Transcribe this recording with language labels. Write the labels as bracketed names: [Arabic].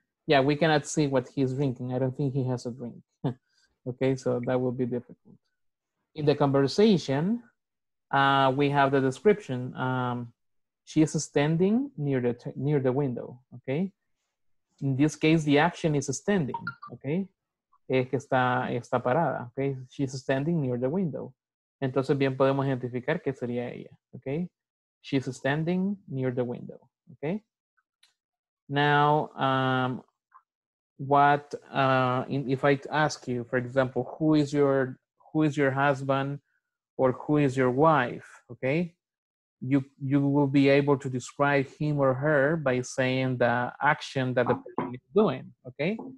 [English] Yeah, we cannot see what he's drinking. I don't think he has a drink. Okay, so that will be difficult. In the conversation, we have the description. She is standing near the window, okay? In this case, the action is standing, okay? [Spanish] Es que está parada, [English] okay? She's standing near the window. [Spanish] Entonces, bien podemos identificar que sería ella, okay? [English] She's standing near the window, okay? Now, if I ask you, for example, who is your husband or who is your wife, okay? You will be able to describe him or her by saying the action that the person is doing, okay?